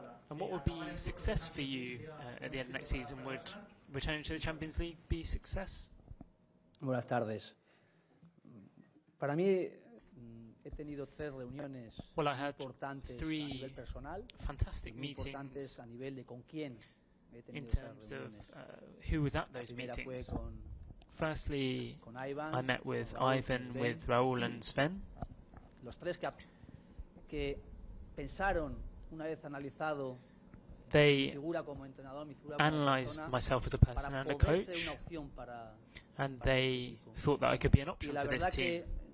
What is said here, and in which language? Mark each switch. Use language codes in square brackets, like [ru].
[en] And what would be success for you at the end of next season? Would returning to the Champions League be success? [es] Buenas tardes. Para mí, he tenido tres reuniones importantes a nivel personal. [en] Fantastic meetings. [es] A nivel de con quién. [en] In terms of who was at those meetings. Firstly, [es] con Ivan, [en] I met with Raul, Ivan, Sven, with Raul and Sven. [es] Los tres que pensaron una vez analizado, [en] they analyzed myself as a person and a coach, and they thought that I could be an option for this team.